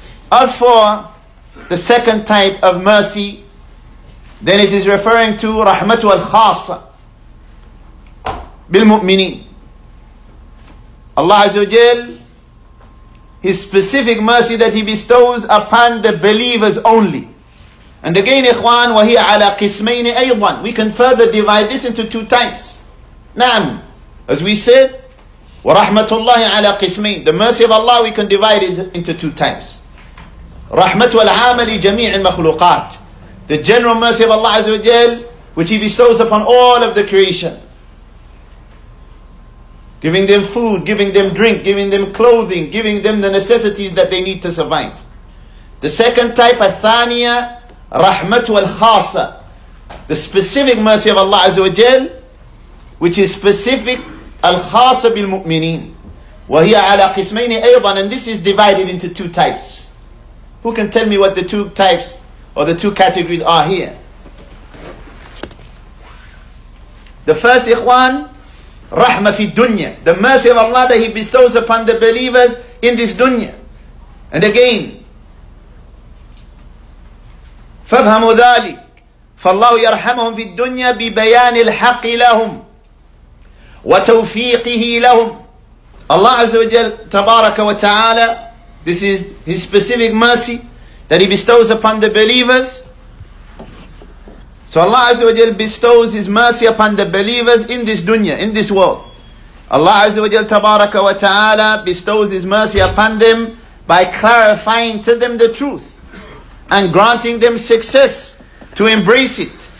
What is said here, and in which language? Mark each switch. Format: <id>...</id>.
<en>As for the second type of mercy, then it is referring to</en> <ar>رَحْمَةُ الْخَاصَّةِ بِالْمُؤْمِنِينَ.</ar> <en>Allah Azza wa Jal, His specific mercy that He bestows upon the believers only. And again,</en> <ar>إِخْوَانَ وَهِيَ عَلَى قِسْمَيْنِ أَيْضًا.</ar> <en>We can further divide this into two types.</en> <ar>نعم.</ar> <en>As we said,</en> <ar>وَرَحْمَةُ اللَّهِ عَلَى قِسْمَيْنِ.</ar> <en>The mercy of Allah, we can divide it into two types.</en> <ar>رَحْمَةُ الْعَامَ لِجَمِيعِ الْمَخْلُوقَاتِ.</ar> <en>The general mercy of Allah Azza wa Jal, which He bestows upon all of the creation. Giving them food, giving them drink, giving them clothing, giving them the necessities that they need to survive. The second type,</en> <ar>الثانية, رَحْمَةُ الْخَاصَ.</ar> <en>The specific mercy of Allah Azza wa Jal, which is specific,</en> <ar>الْخَاصَ بِالْمُؤْمِنِينَ. وَهِيَ عَلَى قِسْمَيْنِ أَيْضًا.</ar> <en>And this is divided into two types. Who can tell me what the two types or the two categories are here? The first, Ikhwan, rahma fi dunya, the mercy of Allah that He bestows upon the believers in this dunya. And again,</en> <ar>فَفْهَمُوا ذَلِكَ فَاللَّهُ يَرْحَمُهُمْ فِي الدُّنْيَا بِبَيَانِ الْحَقِّ لَهُمْ وَتَوْفِيقِهِ لَهُمْ.</ar> <en>Allah Azza wa Jal, Tabaraka wa Ta'ala, this is His specific mercy that He bestows upon the believers. So Allah Azza wa Jal bestows His mercy upon the believers in this dunya, in this world. Allah Azza wa Jal, Tabaraka wa Ta'ala, bestows His mercy upon them by clarifying to them the truth and granting them success to embrace it.</en>